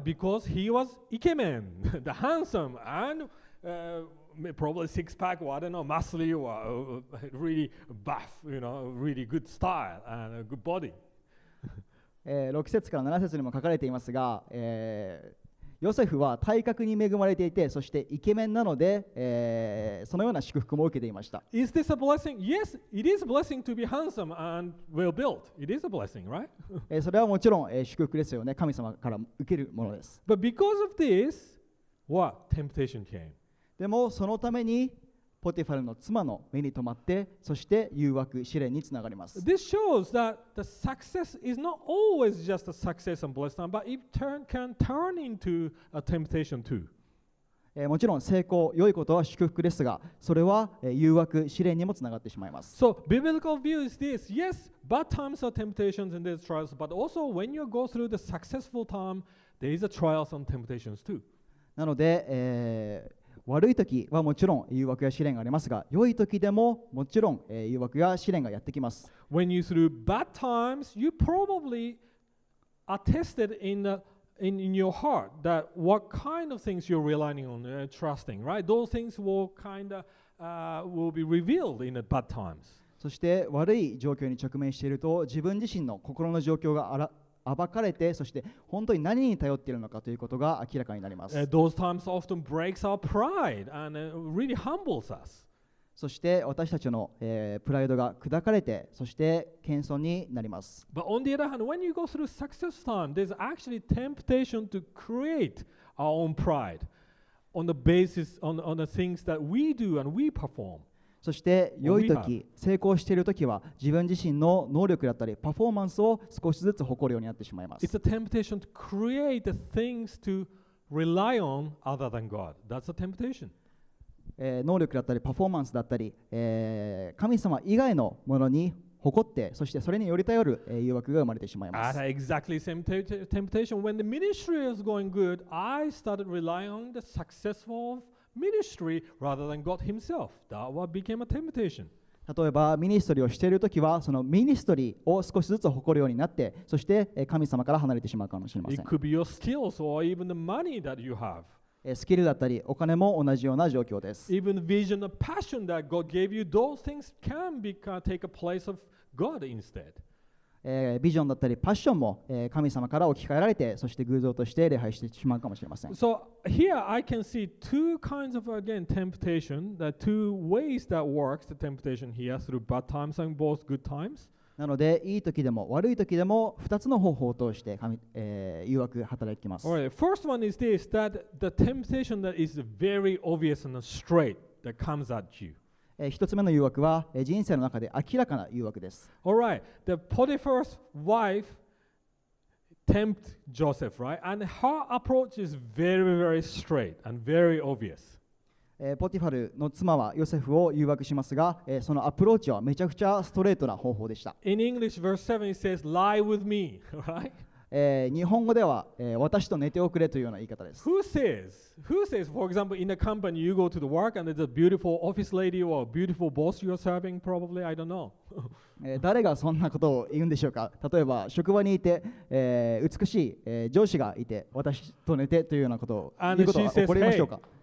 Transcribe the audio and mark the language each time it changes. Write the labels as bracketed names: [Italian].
[English] Because he was イケメン、the handsome, and、probably six pack, or I don't know, muscly, or really buff, you know, really good style and a good body. [Japanese] 6節から7節にも書かれていますが、ヨセフは体格に恵まれていて、そしてイケメンなので、そのような祝福も受けていました。 [English] Is this a blessing? Yes, it is a blessing to be handsome and well built. It is a blessing, right? [Japanese] それはもちろん、祝福ですよね。神様から受けるものです。 [English] But because of this, what? Temptation came. [Japanese] でもそのためにポティファルの妻の目に留まって、そして誘惑、試練につながります。 [English] This shows that the success is not always just a success and blessing, but it can turn into a temptation too. [Japanese] もちろん成功、良いことは祝福ですが、それは誘惑、試練にもつながってしまいます。 [English] So, biblical view is this. Yes, bad times are temptations and there's trials, but also when you go through the successful time, there is a trials and temptations too. [Japanese] なので、悪い時はもちろん誘惑や試練がありますが、良い時でももちろん、誘惑や試練がやってきます。 [English] When you through bad times, you probably are tested in your heart that what kind of things you're relying on, trusting, right? Those things will kind of will be revealed in the bad times. [Japanese] そして悪い状況に直面していると、自分自身の心の状況が暴かれて、そして本当に何に頼っているのかということが明らかになります。 [English] Those times often breaks our pride and really humbles us. [Japanese] そして私たちの、プライドが砕かれて、そして謙遜になります。 [English] But on the other hand, when you go through success time, there's actually temptation to create our own pride on the basis on the things that we do and we perform. [Japanese] そして良い時、成功している時は自分自身の能力だったりパフォーマンスを少しずつ誇るようになってしまいます。 [English] It's a temptation to create things to rely on other than God. That's a temptation. [Japanese] 能力だったりパフォーマンスだったり、神様以外のものに誇って、そしてそれにより頼る、誘惑が生まれてしまいます。 [English] That's exactly the same temptation. When the ministry is going good, I started relying on the successful ofMinistry rather than God Himself. That what became a temptation. [Japanese] 例えばミニストリーをしているときは、そのミニストリーを少しずつ誇るようになって、そして神様から離れてしまうかもしれません。 [English] It could be your skills or even the money that you have. [Japanese] スキルだったりお金も同じような状況です。 [English] Even vision and passion that God gave you, those things can take a place of God instead. [Japanese] ビジョンだったりパッションも、神様から置き換えられて、そして偶像として礼拝してしまうかもしれません。 [English] So here I can see two kinds of again temptation, the two ways that works the temptation here through bad times and both good times. [Japanese] なので、いい時でも悪い時でも二つの方法を通して神、誘惑働いてきます。 [English] Alright, first one is this that the temptation that is very obvious and straight that comes at you. [Japanese] 一つ目の誘惑は、人生の中で明らかな誘惑です。 [English] All right, the Potiphar's wife tempt Joseph, right? And her approach is very, very straight and very obvious. [Japanese] ポティファルの妻はヨセフを誘惑しますが、そのアプローチはめちゃくちゃストレートな方法でした。 [English] In English, verse 7, it says, lie with me, right? [Japanese] 日本語では、私と寝ておくれというような言い方です。 [English] Who says, for example, in a company, you go to the work and there's a beautiful office lady or a beautiful boss you're serving, probably, I don't know. [Japanese] 誰がそんなことを言うんでしょうか。例えば職場にいて、美しい、上司がいて私と寝てというようなことを言うことは起こりましょうか。